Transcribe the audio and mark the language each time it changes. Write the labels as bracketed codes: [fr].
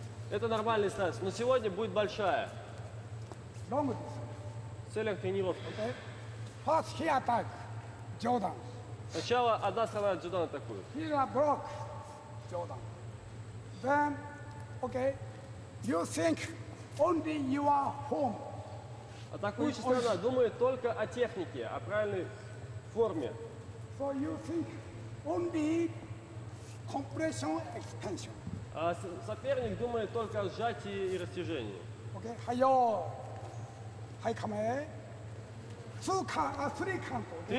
[ru] Это нормальная дистанция, но сегодня будет большая. [en] Long [ru] distance. В целях тренировки. [en] Okay. First he attack. Jordan. [ru] Сначала одна сторона Jordan атакует. [en] Here block. Jordan. Then, okay, you think only you are home. [ru] Атакующая сторона думает только о технике, о правильной форме. [en] So you think only compression, expansion. [ru] А соперник думает только о сжатии и растяжении. [en] Okay, higher. I come here. Two count, three count. Okay?